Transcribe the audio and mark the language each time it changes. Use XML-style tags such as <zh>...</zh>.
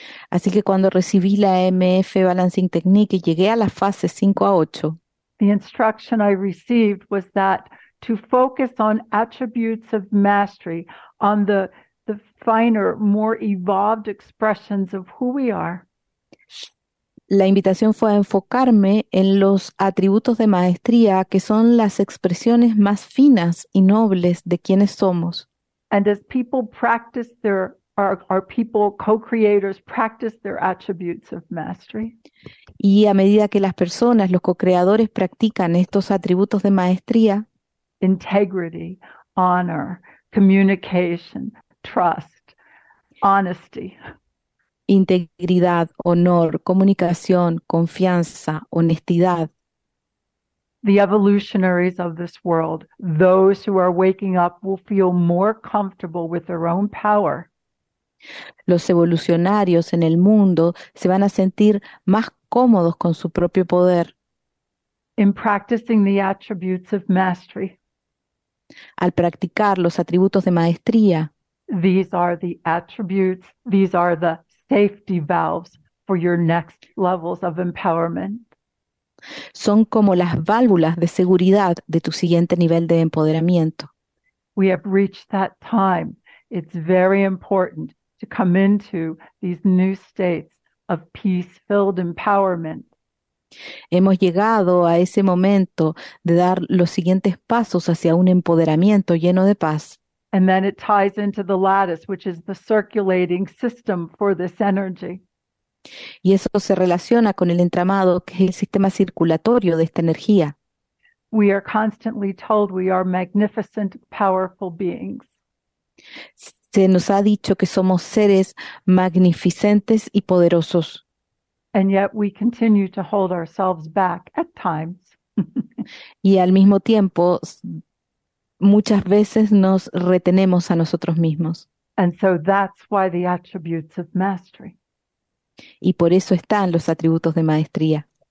<es>Así que cuando recibí la MF Balancing Technique y llegué a la fase 5 a 8,</es> <en>the instruction I received was that to focus on attributes of mastery, on the finer, more evolved expressions of who we are.</en> <es>la invitación fue a enfocarme en los atributos de maestría, que son las expresiones más finas y nobles de quienes somos.</es> <en>And as people practice their, our people, co-creators, practice their attributes of mastery.</en> <es>Y a medida que las personas, los co-creadores, practican estos atributos de maestría,</es> <en>Integrity, honor, communication, trust, honesty.</en> <es>integridad, honor, comunicación, confianza, honestidad.</es> <en>The evolutionaries of this world, those who are waking up, will feel more comfortable with their own power.</en> <es>Los evolucionarios en el mundo se van a sentir más cómodos con su propio poder</es> <en>In practicing the attributes of mastery.</en> <es>al practicar los atributos de maestría.</es> <en>These are the attributes, these are the safety valves for your next levels of empowerment.</en> <es>Son como las válvulas de seguridad de tu siguiente nivel de empoderamiento.</es> <en>We have reached that time. It's very important to come into these new states of peace-filled empowerment.</en> <es>Hemos llegado a ese momento de dar los siguientes pasos hacia un empoderamiento lleno de paz.</es> <en>And then it ties into the lattice, which is the circulating system for this energy.</en> <es>Y eso se relaciona con el entramado, que es el sistema circulatorio de esta energía.</es> <en>We are constantly told we are magnificent, powerful beings.</en> <es>Se nos ha dicho que somos seres magnificentes y poderosos.</es> <en>And yet we continue to hold ourselves back at times.</en> <es>Y al mismo tiempo, muchas veces nos retenemos a nosotros mismos.</es> <en>And so that's why the attributes of mastery.</en> <es>Y por eso están los atributos de maestría.</es>